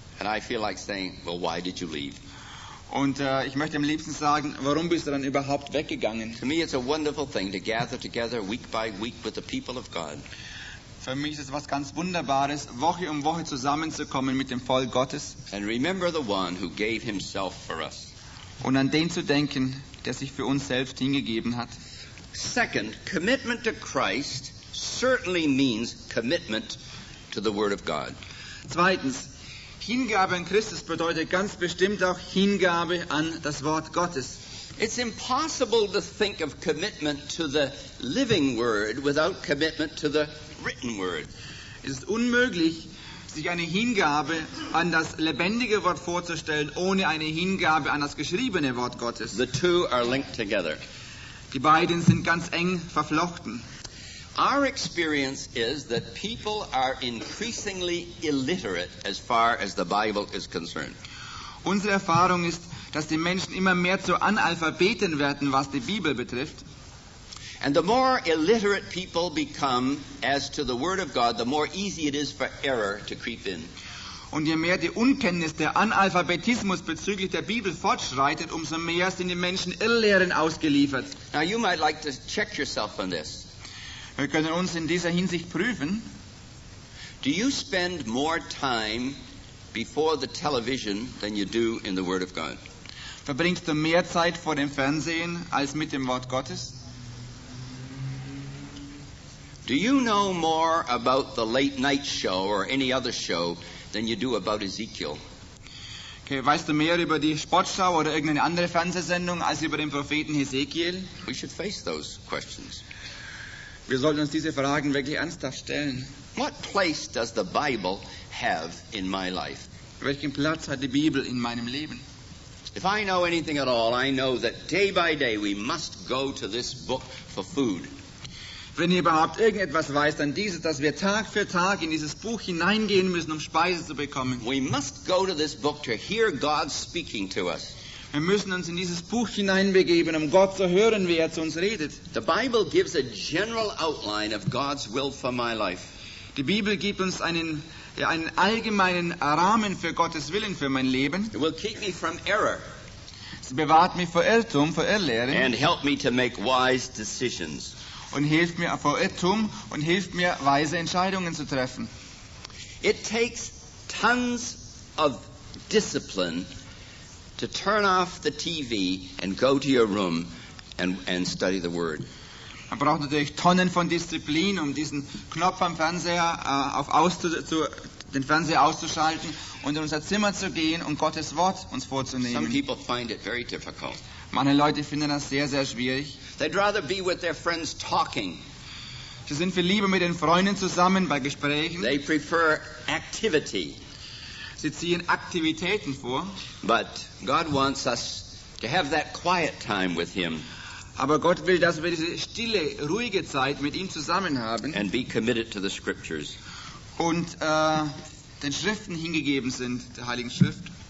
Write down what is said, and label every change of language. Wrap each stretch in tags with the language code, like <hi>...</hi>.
<en>And I feel like saying, well, why did you leave?</en> <de>Und ich möchte am liebsten sagen, warum bist du dann überhaupt weggegangen?</de> <en>To me it's a wonderful thing to gather together week by week with the people of God.</en> <de>Für mich ist es was ganz Wunderbares, Woche um Woche zusammenzukommen mit dem Volk Gottes.</de> <en>And remember the one who gave himself for us.</en> <de>Und an den zu denken, der sich für uns selbst hingegeben hat.</de> <en>Second, commitment to Christ certainly means commitment to the Word of God.</en> <de>Zweitens, Hingabe an Christus bedeutet ganz bestimmt auch Hingabe an das Wort Gottes.</de> <en>It's impossible to think of commitment to the living word without commitment to the written word.</en> <de>Es ist unmöglich, sich eine Hingabe an das lebendige Wort vorzustellen, ohne eine Hingabe an das geschriebene Wort Gottes.</de> <en>The two are linked together.</en> <de>Die beiden sind ganz eng verflochten.</de> <en>Our experience is that people are increasingly illiterate as far as the Bible is concerned.</en> <de>Unsere Erfahrung ist, dass die Menschen immer mehr zu Analphabeten werden, was die Bibel betrifft.</de> <en>And the more illiterate people become as to the Word of God, the more easy it is for error to creep in.</en> <de>Und je mehr die Unkenntnis, der Analphabetismus bezüglich der Bibel fortschreitet, umso mehr sind die Menschen Irrlehren ausgeliefert.</de> <en>Now you might like to check yourself on this.</en> <de>Wir können uns in dieser Hinsicht prüfen.</de> <en>Do you spend more time before the television than you do in the Word of God?</en> <de>Verbringst du mehr Zeit vor dem Fernsehen als mit dem Wort Gottes?</de> <en>Do you know more about the late night show or any other show than you do about Ezekiel?</en> <de>Okay, weißt du mehr über die Sportschau oder irgendeine andere Fernsehsendung als über den Propheten Ezekiel?</de> <en>We should face those questions.</en> <de>Wir sollten uns diese Fragen wirklich ernsthaft stellen.</de> <en>What place does the Bible have in my life?</en> <de>Welchen Platz hat die Bibel in meinem Leben?</de> <en>If I know anything at all, I know that day by day we must go to this book for food.</en> <de>Wenn ihr überhaupt irgendetwas weiß, dann dieses, dass wir Tag für Tag in dieses Buch hineingehen müssen, um Speise zu bekommen.</de> <en>We must go to this book to hear God speaking to us.</en> <de>Wir müssen uns in dieses Buch hineinbegeben, um Gott zu hören, wie er zu uns redet.</de> <en>The Bible gives a general outline of God's will for my life.</en> <de>Die Bibel gibt uns einen allgemeinen Rahmen für Gottes Willen für mein Leben.</de> <en>It will keep me from error.</en> <de>Sie bewahrt mich vor Irrtum, vor Irrlehre.</de> <en>And help me to make wise decisions.</en> <de>Und hilft mir vor Irrtum und hilft mir, weise Entscheidungen zu treffen.</de> <en>It takes tons of discipline to turn off the TV and go to your room and study the Word.</en> <de>Man braucht natürlich Tonnen von Disziplin, um diesen Knopf am Fernseher den Fernseher auszuschalten und in unser Zimmer zu gehen und Gottes Wort uns vorzunehmen.</de> <en>Some people find it very difficult.</en> <de>Manche Leute finden das sehr, sehr schwierig.</de> <en>They'd rather be with their friends talking.</en> <de>Sie sind viel lieber mit den Freunden zusammen bei Gesprächen.</de> <en>They prefer activity.</en> <de>Sie ziehen Aktivitäten vor.</de> <en>But God wants us to have that quiet time with him.</en> <de>Aber Gott will, dass wir diese stille, ruhige Zeit mit ihm zusammen haben.</de> <en>And be committed to the scriptures.</en> <de>Und den Schriften hingegeben sind, der Heiligen Schrift.</de>